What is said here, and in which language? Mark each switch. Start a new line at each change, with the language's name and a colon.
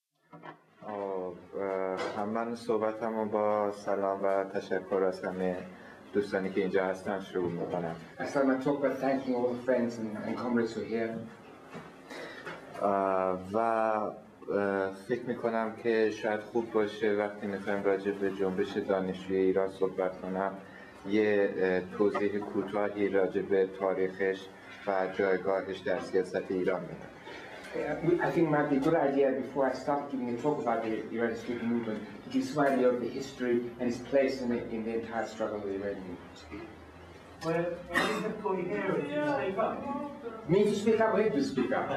Persian: خب هم من صحبتمو با سلام و تشکر از همه دوستانی که اینجا هستن شروع میکنم.
English: I start my talk by thanking all the friends and comrades who are here.
Persian: و فکر میکنم که شاید خوب باشه وقتی میخوایم راجع به جنبش دانشجوی ایران صحبت کنم یه توضیح کوتاهی راجع به تاریخش و جایگاهش در سیاست ایران بدم.
English: I think it might be a good idea before I start giving a talk about the Iran student movement to give some idea of the history and its place in the entire struggle of the Iranian people. Well, I think I'm going to speak up. Me to speak up or you to speak up?